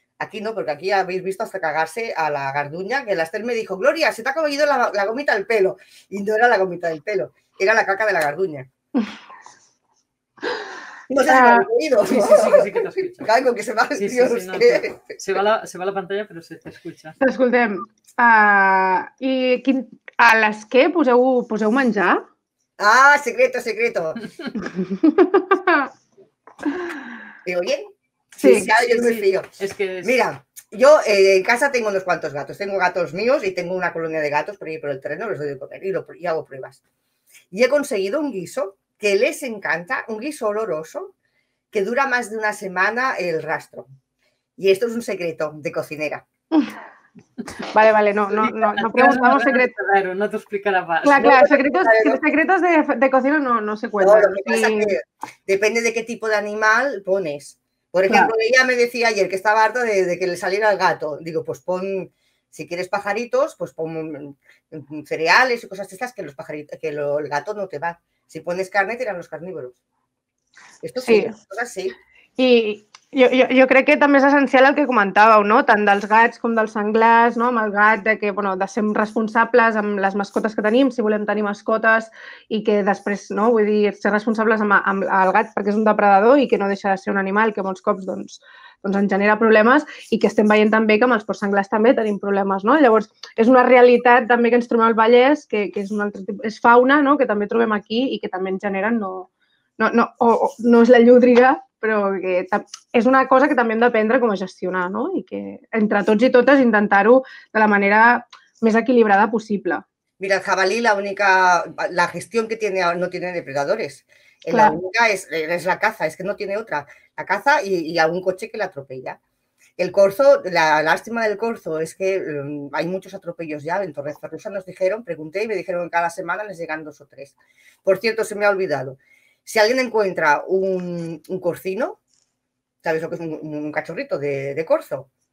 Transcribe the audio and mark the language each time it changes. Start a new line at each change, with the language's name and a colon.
Spanish: Aquí no, porque aquí habéis visto hasta cagarse a la garduña, que la Esther me dijo, Gloria, se te ha comido la gomita del pelo. Y no era la gomita del pelo, era la caca de la garduña. No sé si me ha oído. Sí, sí, sí, que te caigo, que se va, sí, tío, sí, no, que... Se va la pantalla, pero se te escucha.
Catalan: Escoltem. I quin, a les que poseu menjar?
Spanish: Ah, secreto, secreto. ¿Digo bien? Sí, sí, claro, sí, yo sí, me fío. Es que es... Mira, yo en casa tengo unos cuantos gatos. Tengo gatos míos y tengo una colonia de gatos por ahí por el terreno, los doy de comer y hago pruebas. Y he conseguido un guiso que les encanta, un guiso oloroso, que dura más de una semana el rastro. Y esto es un secreto de cocinera. Vale, no preguntamos secretos. Claro, no te explicará más. Claro, secretos de cocina no se cuentan. Bueno, lo que pasa es que depende de qué tipo de animal pones. Por ejemplo, ella me decía ayer que estaba harta de que le saliera el gato. Digo, pues pon, si quieres pajaritos, pues pon cereales y cosas de estas que los pajaritos, que el gato no te va. Si pones carne, tiran los carnívoros. Esto sí, cosas sí. Y...
Catalan: Jo crec que també és essencial el que comentàveu, no? Tant dels gats com dels senglars, no? Amb el gat, de que, bueno, de ser responsables amb les mascotes que tenim, si volem tenir mascotes, i que després, no? Vull dir, ser responsables amb el gat perquè és un depredador i que no deixa de ser un animal que molts cops, doncs en genera problemes, i que estem veient també que amb els porcs senglars també tenim problemes, no? Llavors, és una realitat també que ens trobem al Vallès, que és un altre tipus, és fauna, no? Que també trobem aquí i que també ens generen, no és la llúdriga, però que és una cosa que també hem d'aprendre com a gestionar, no? I que entre tots i totes intentar-ho de la manera més equilibrada possible.
Spanish: Mira, el jabalí,
Catalan: la gestió que té no té depredadors. La única és la caza, és que no té altra.
Spanish: la caza y algún coche que la atropella. El corzo, la lástima del corzo es que hay muchos atropellos ya. En Torre Ferrusa nos dijeron, pregunté y me dijeron que cada semana les llegan dos o tres. Por cierto, se me ha olvidado. Si alguien encuentra un corcino, ¿sabes lo que es un cachorrito de corzo?